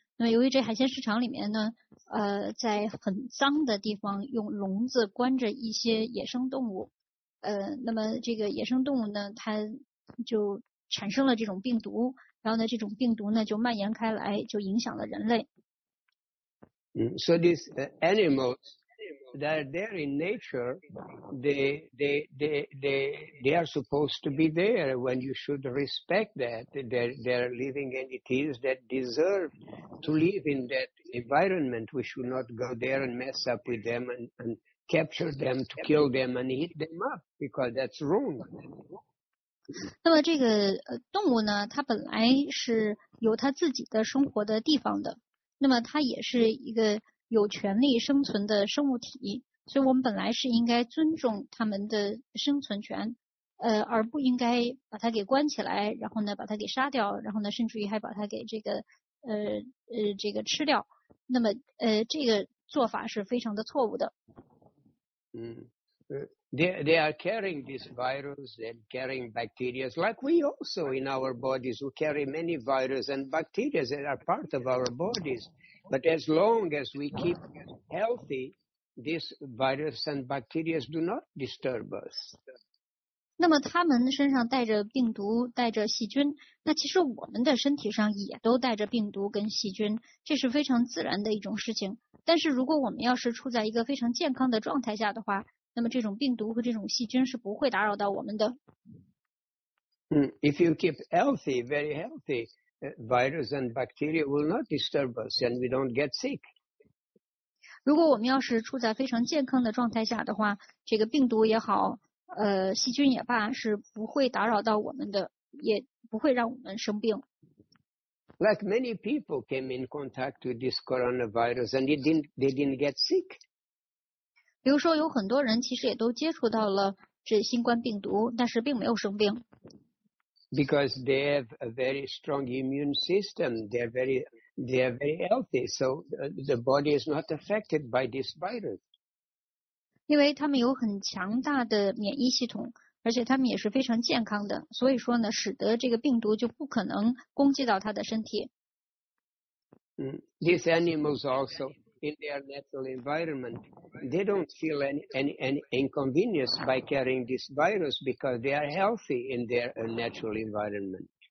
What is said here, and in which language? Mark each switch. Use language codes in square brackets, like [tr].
[zh] 那么由于这海鲜市场里面呢，在很脏的地方用笼子关着一些野生动物，那么这个野生动物呢，它就产生了这种病毒，然后呢，这种病毒呢就蔓延开来，就影响了人类。 [en] So these animals that are there in nature, they are supposed to be there when you should respect that. They're living entities that deserve to live in that environment. We should not go there and mess up with them and capture them to kill them and eat them up because that's wrong. [zh] 那么这个动物呢，它本来是有它自己的生活的地方的，那么它也是一个有权利生存的生物体，所以我们本来是应该尊重它们的生存权，而不应该把它给关起来，然后呢把它给杀掉，然后呢甚至于还把它给这个吃掉，那么这个做法是非常的错误的。 [en] They are carrying this virus and carrying bacteria, like we also in our bodies, we carry many viruses and bacteria that are part of our bodies. But as long as we keep healthy, these viruses and bacteria do not disturb us. [zh] 那么他们身上带着病毒，带着细菌，那其实我们的身体上也都带着病毒跟细菌，这是非常自然的一种事情。但是如果我们要是处在一个非常健康的状态下的话，那么这种病毒和这种细菌是不会打扰到我们的。 [en] If you keep healthy, very healthy, virus and bacteria will not disturb us and we don't get sick. [zh] 如果我们要是处在非常健康的状态下的话，这个病毒也好，细菌也罢，是不会打扰到我们的，也不会让我们生病。 [en] Like many people came in contact with this coronavirus and they didn't get sick. [zh] 比如说有很多人其实也都接触到了这新冠病毒，但是并没有生病。 [en] Because they have a very strong immune system, they are very healthy, so the body is not affected by this virus. [zh] 因为他们有很强大的免疫系统，而且他们也是非常健康的，所以说呢，使得这个病毒就不可能攻击到他的身体。 [en] These animals also in their natural environment, they don't feel any inconvenience by carrying this virus because they are healthy in their natural environment.